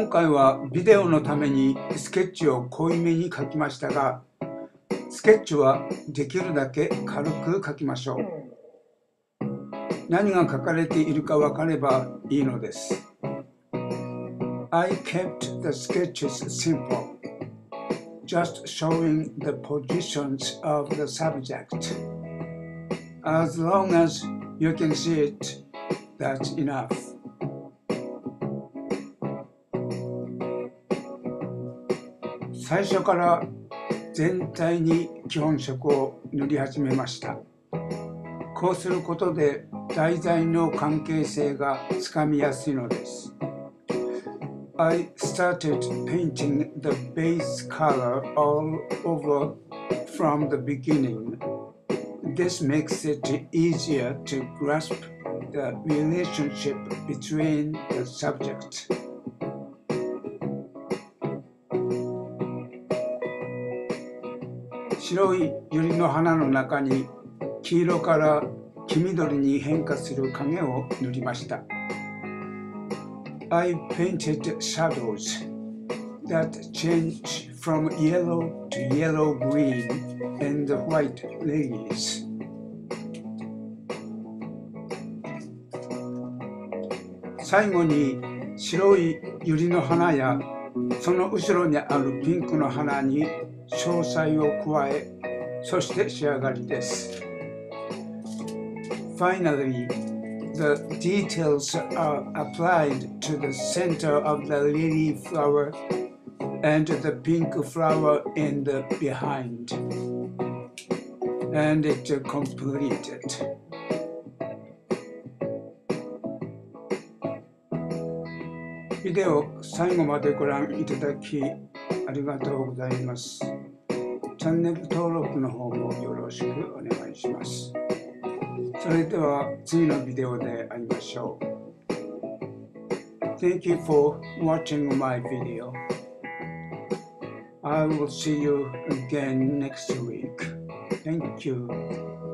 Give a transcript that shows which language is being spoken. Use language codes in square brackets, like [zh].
[ja] はビデオのためにスケッチを濃いめに描きましたが、スケッチはできるだけ軽く描きましょう。何が描かれているか分かればいいのです。 [en] I kept the sketches simple, just showing the positions of the subject. As long as you can see it, that's enough. [ja] 最初から全体に基本色を塗り始めました。こうすることで題材の関係性がつかみやすいのです。 [en] I started painting the base color all over from the beginning. This makes it easier to grasp the relationship between the subject. [ja] 白い百合の花の中に黄色から黄緑に変化する影を塗りました。 [en] I painted shadows that change from yellow to yellow green and the white lilies. [ja] 最後に白い百合の花やその後ろにあるピンクの花に詳細を加え、そして仕上がりです。 [en] Finally, the details are applied to the center of the lily flower and the pink flower in the behind. And it's completed. [ja] 最後までご覧いただきありがとうございます。チャンネル登録の方もよろしくお願いします。それでは次のビデオで会いましょう。 [en] Thank you for watching my video. I will see you again next week. Thank you.